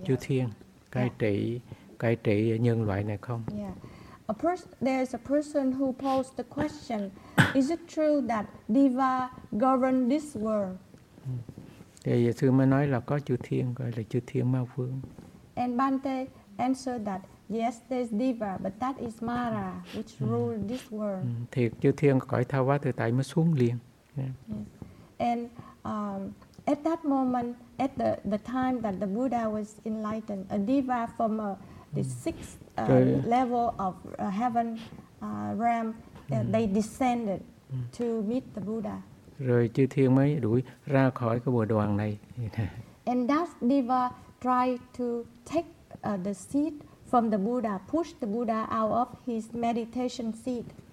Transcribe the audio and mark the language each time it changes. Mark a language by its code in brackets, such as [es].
[vi] chư thiên cai trị cai trị nhân loại này không? [en] Yeah. There's a person who posed the question, is it true that Deva govern this world? [vi] Thì giờ sư mới nói là có chư thiên, gọi là chư thiên ma vương. [en] And Bhante answered that, yes, there's Deva, but that is Mara, which rule this world. [vi] Thì chư thiên cõi tha hóa tự tại mới xuống liền. [en] Yeah. Yes. And at that moment, at the time that the Buddha was enlightened, a Deva from the sixth level of heaven realm, they descended to meet the Buddha. [vi] Rồi chư thiên mới đuổi ra khỏi cái bồ đoàn này. [en] And that diva try to take the seat from the Buddha, push the Buddha out of his meditation seat.